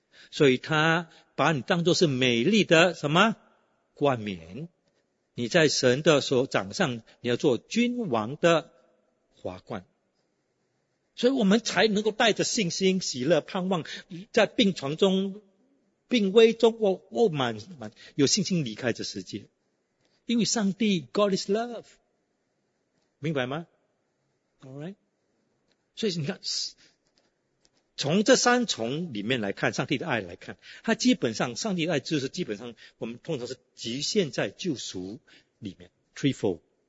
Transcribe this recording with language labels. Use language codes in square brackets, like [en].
[zh] 所以他把你当作是美丽的什么冠冕。你在神的手掌上，你要做君王的华冠。所以我们才能够带着信心、喜乐、盼望，在病床中、病危中，我满有信心离开这世界。因为上帝 [en] ,God is love. [zh] 明白吗 ?Alright? 所以你看，从这三重里面来看，上帝的爱来看，它基本上上帝的爱就是基本上我们通常是局限在救赎里面 threefold。